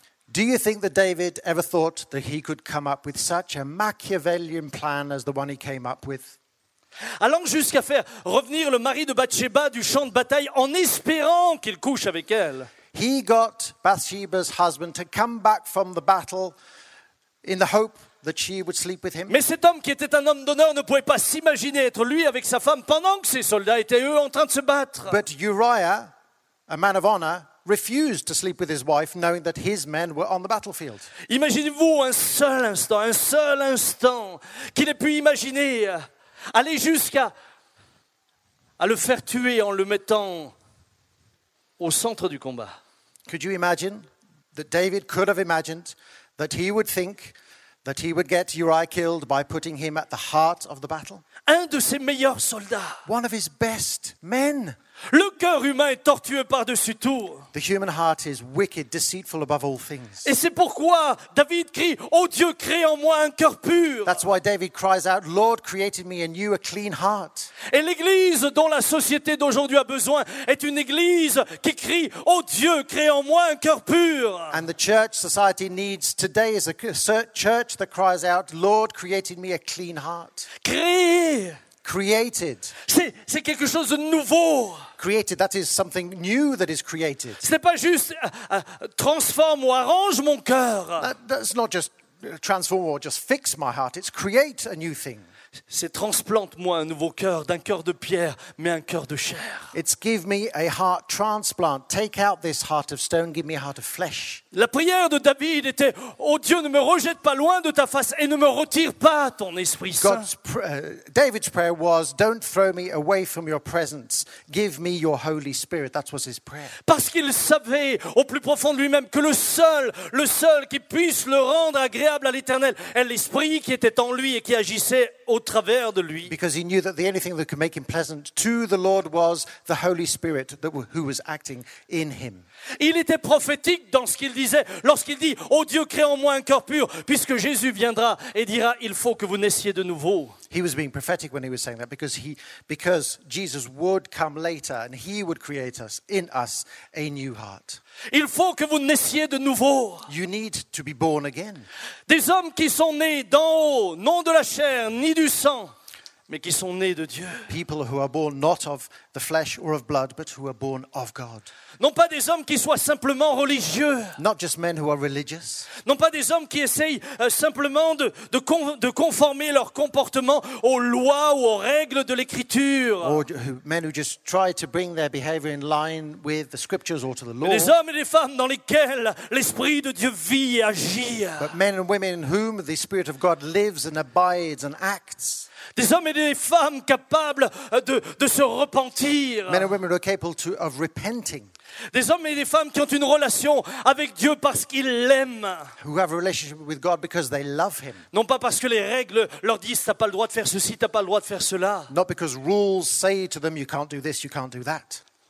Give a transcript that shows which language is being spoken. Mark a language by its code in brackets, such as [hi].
[en] Do you think that David ever thought that he could come up with such a Machiavellian plan as the one he came up with? [fr] Allant jusqu'à faire revenir le mari de Bathsheba du champ de bataille en espérant qu'il couche avec elle. [en] He got Bathsheba's husband to come back from the battle in the hope that she would sleep with him. [fr] Mais cet homme qui était un homme d'honneur ne pouvait pas s'imaginer être lui avec sa femme pendant que ses soldats étaient eux en train de se battre. [en] But Uriah, a man of honor, refused to sleep with his wife knowing that his men were on the battlefield. [fr] Imaginez-vous un seul instant qu'il ait pu imaginer aller jusqu'à le faire tuer en le mettant au centre du combat. [en] Could you imagine that David could have imagined that he would think that he would get Uriah killed by putting him at the heart of the battle? [fr] Un de ses meilleurs soldats. [en] One of his best men. [fr] Le cœur humain est tortueux par-dessus tout. [en] The human heart is wicked, deceitful above all things. [fr] Et c'est pourquoi David crie, « Oh Dieu, crée en moi un cœur pur !» [en] That's why David cries out, « Lord, created me in you a clean heart !» [fr] Et l'église dont la société d'aujourd'hui a besoin est une église qui crie, « Oh Dieu, crée en moi un cœur pur !» [en] And the church society needs today is a church that cries out, « Lord, created me a clean heart !» [fr] Créé. [en] Created. [fr] C'est quelque chose de nouveau. [en] Created, that is something new that is created. [fr] Ce n'est pas juste transforme ou arrange mon cœur. [en] That's not just transform or just fix my heart. It's create a new thing. [fr] C'est transplante-moi un nouveau cœur, d'un cœur de pierre, mais un cœur de chair. [en] It's give me a heart transplant. Take out this heart of stone, give me a heart of flesh. [fr] La prière de David était, « Oh Dieu, ne me rejette pas loin de ta face et ne me retire pas ton Esprit Saint. » [en] David's prayer was, « Don't throw me away from your presence. Give me your Holy Spirit. » That was his prayer. [fr] Parce qu'il savait au plus profond de lui-même que le seul qui puisse le rendre agréable à l'Éternel est l'Esprit qui était en lui et qui agissait au travers de lui. [en] Because he knew that the only thing that could make him pleasant to the Lord was the Holy Spirit who was acting in him. [fr] Il était prophétique dans ce qu'il disait lorsqu'il dit « Oh Dieu, crée en moi un cœur pur » puisque Jésus viendra et dira « Il faut que vous naissiez de nouveau. » [en] He was being prophetic when he was saying that because Jesus would come later and he would create us in us a new heart. [fr] Il faut que vous naissiez de nouveau. [en] You need to be born again. [fr] Des hommes qui sont nés d'en haut, non de la chair ni du sang, mais qui sont nés de Dieu. [en] People who are born not of the flesh or of blood, but who are born of God. [fr] Non pas des hommes qui soient simplement religieux. [en] Not just men who are religious. [fr] Non pas des hommes qui essayent simplement de conformer leur comportement aux lois ou aux règles de l'Écriture. [en] Or men who just try to bring their behavior in line with the Scriptures or to the law. [fr] Mais des hommes et des femmes dans lesquels l'Esprit de Dieu vit et agit. [en] But men and women in whom the Spirit of God lives and abides and acts. [fr] Des hommes et des femmes capables de se repentir. [en] Men and women are capable of repenting. [fr] Des hommes et des femmes qui ont une relation avec Dieu parce qu'ils l'aiment. [en] Who have a relationship with God because they love him. [fr] Non pas parce que les règles leur disent t'as pas le droit de faire ceci, t'as pas le droit de faire cela. [en] Not because rules say to them you can't do this, you can't do that.